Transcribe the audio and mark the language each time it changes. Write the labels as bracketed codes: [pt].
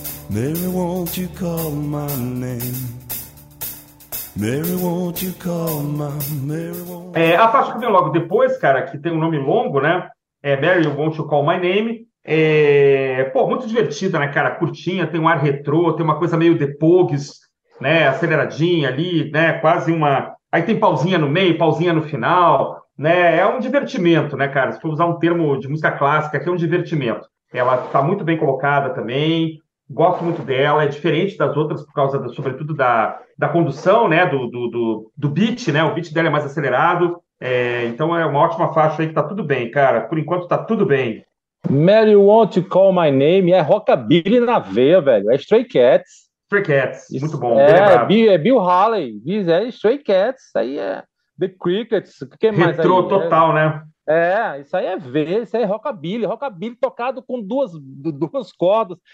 [en] Mary, won't you call my name? Mary, won't you call my Mary, won't... [pt] É, a faixa que vem logo depois, cara, que tem um nome longo, né? [en] É Mary, won't you call my name? [pt] É, pô, muito divertida, né, cara? Curtinha, tem um ar retrô, tem uma coisa meio The Pogues, né? Aceleradinha ali, né? Quase uma... Aí tem pausinha no meio, pausinha no final, né? É um divertimento, né, cara? Se for usar um termo de música clássica, aqui é um divertimento. Ela está muito bem colocada também, gosto muito dela, é diferente das outras por causa, sobretudo, da condução, né? Do beat, né? O beat dela é mais acelerado. É, então é uma ótima faixa aí que está tudo bem, cara. Por enquanto está tudo bem. [en] Mary, won't you call my name? [pt] É rockabilly na veia, velho. É Stray Cats. Stray Cats, muito bom. É Bill Haley. É Stray Cats, isso aí é The Crickets. O que mais? Retro aí? Total, é... né? É, isso aí é isso aí é rockabilly. Rockabilly tocado com duas cordas.